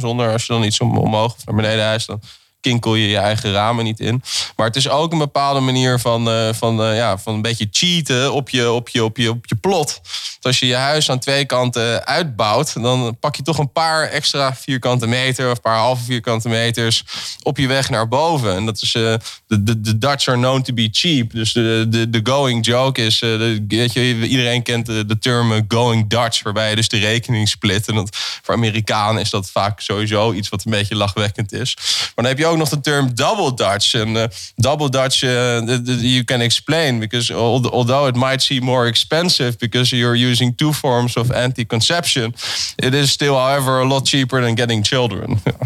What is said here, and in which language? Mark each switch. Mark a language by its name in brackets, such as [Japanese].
[Dutch] Zonder, als je dan iets omhoog of naar beneden huist, dan kinkel je eigen ramen niet in. Maar het is ook een bepaalde manier van een beetje cheaten op je plot. Want als je je huis aan 2 kanten uitbouwt, dan pak je toch een paar extra vierkante meter of een paar halve vierkante meters op je weg naar boven. En dat is de [English] Dutch are known to be cheap. [Dutch] Dus de [English] going joke [Dutch] is, iedereen kent de term going Dutch, waarbij je dus de rekening split. En dat, voor Amerikanen is dat vaak sowieso iets wat een beetje lachwekkend is. Maar dan heb je ook nog de term double Dutch. [English] En double Dutch, you can explain, because although it might seem more expensive because you're using 2 forms of anticonception, it is still however a lot cheaper than getting children.